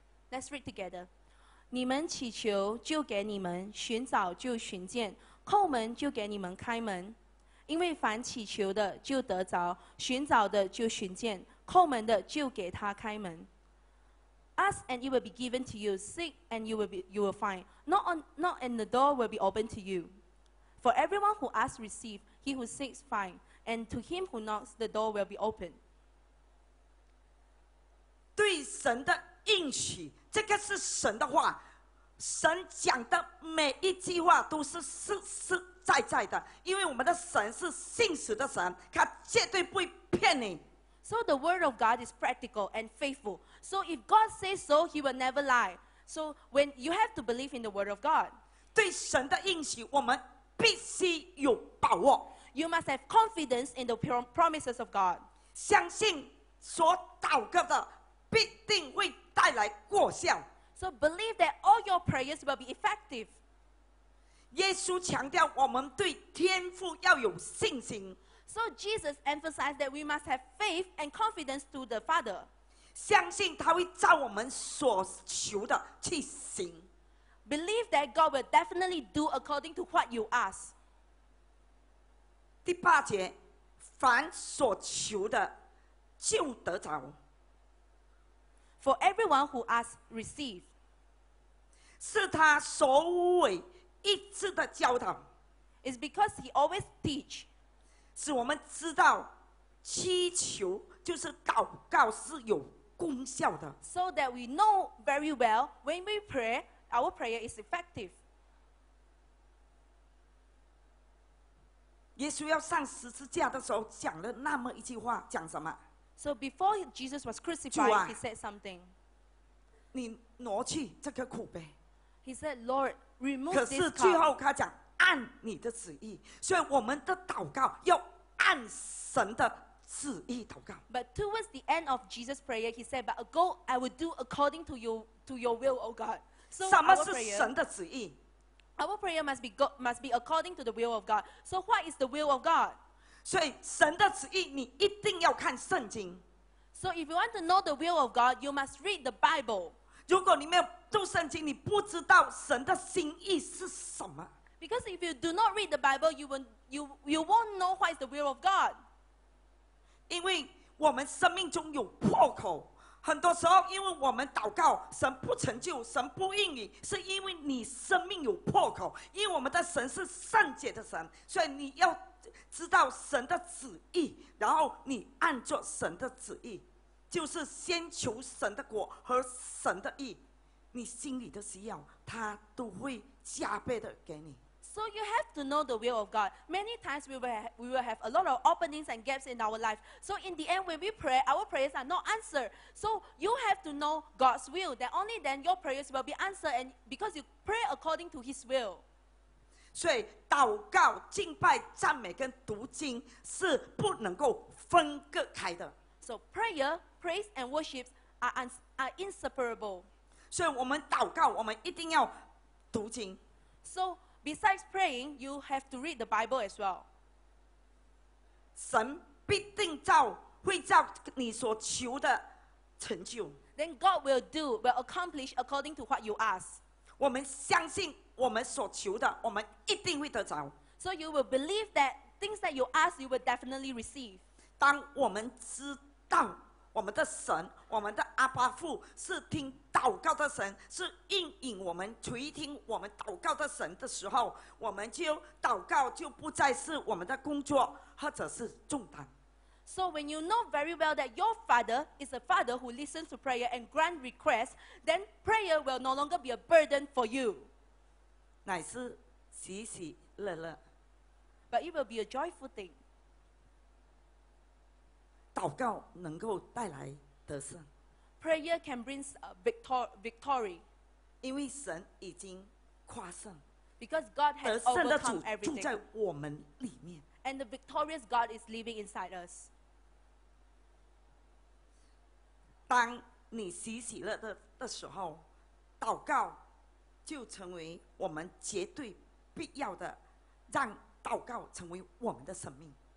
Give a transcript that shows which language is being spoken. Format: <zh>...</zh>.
<en>Let's read together</en> <zh>你们祈求就给你们寻找就寻见叩门就给你们开门因为凡祈求的就得着寻找的就寻见叩门的就给他开门</zh> <en>Ask and it will be given to you Seek and you will find Not and the door will be opened to you For everyone who asks receive He who seeks find And to him who knocks the door will be opened</en> <zh>对神的应许这个是神的话神讲的每一句话都是实实在在的因为我们的神是信实的神他绝对不会骗你</zh> <en>So the word of God is practical and faithful. So if God says so, he will never lie. So when you have to believe in the word of God.</en> <zh>对神的应许，我们必须有把握。</zh> <en>You must have confidence in the promises of God.</en> <zh>相信所祷告的必定会带来果效。</zh> <en>So believe that all your prayers will be effective.</en> <zh>耶稣强调我们对天父要有信心。</zh> <en>So Jesus emphasized that we must have faith and confidence to the Father.</en> <zh>相信他会照我们所求的去行。</zh> <en>Believe that God will definitely do according to what you ask.</en> <zh>第八节，凡所求的就得着。</zh> <en>For everyone who asks, receive.</en> <zh>是他所为一致的教导。</zh> <en>It's because he always teach.</en> <zh>使我们知道祈求就是祷告是有功效的。</zh> <en>So that we know very well when we pray, our prayer is effective.</en> <zh>耶稣要上十字架的时候讲了那么一句话，讲什么？</zh> <en>So before Jesus was crucified, he said something.</en> <zh>你挪去这个苦呗。</zh> <en>He said, Lord, remove this cup.</en> <zh>可是最后他讲按你的旨意，所以我们的祷告要按神的旨意祷告。</zh> <en>But towards the end of Jesus' prayer, he said, "But go, I will do according to you, to your will, O God."</en> <zh>So 什么是神的旨意</zh> <en>？Our prayer must be according to the will of God. So what is the will of God?</en> <zh>所以神的旨意，你一定要看圣经。</zh> <en>So if you want to know the will of God, you must read the Bible.</en> <zh>如果你没有读圣经，你不知道神的心意是什么。</zh> <en>Because if you do not read the Bible, you won't know what is the will of God.</en> <zh>因为我们生命中有破口，很多时候因为我们祷告，神不成就，神不应允，是因为你生命有破口。因为我们的神是圣洁的神，所以你要知道神的旨意，然后你按着神的旨意，就是先求神的果和神的意，你心里的需要，他都会。</zh> <en>So you have to know the will of God. Many times we will have a lot of openings and gaps in our life. So in the end, when we pray, our prayers are not answered. So you have to know God's will. That only then your prayers will be answered. And because you pray according to His will.</en> <zh>所以祷告、敬拜、赞美跟读经是不能够分割开的。</zh> <en>So prayer, praise, and worship are inseparable.</en> <zh>所以我们祷告，我们一定要。读经。</zh> <en>So besides praying, you have to read the Bible as well.</en> <zh>神必定会照你所求的成就。</zh> <en>Then God will accomplish according to what you ask.</en> <zh>我们相信我们所求的，我们一定会得着。</zh> <en>So you will believe that things that you ask, you will definitely receive.</en> <zh>当我们知道我们的神，我们的阿爸父是听祷告的神，是应允我们、垂听我们祷告的神的时候，我们就祷告就不再是我们的工作或者是重担。</zh> <en>So when you know very well that your father is a father who listens to prayer and grant requests, then prayer will no longer be a burden for you.</en> <zh>乃是喜喜乐乐。</zh> <en>But it will be a joyful thing.</en> <zh>祷告能够带来得胜。</zh> <en>Prayer can bring victory.</en> <zh>因为神已经夸胜。</zh> <en>Because God has overcome everything.</en> <zh>得胜的主住在我们里面。</zh> <en>And the victorious God is living inside us.</en> <zh>当你喜喜乐的时候，祷告就成为我们绝对必要的，让祷告成为我们的生命。</zh>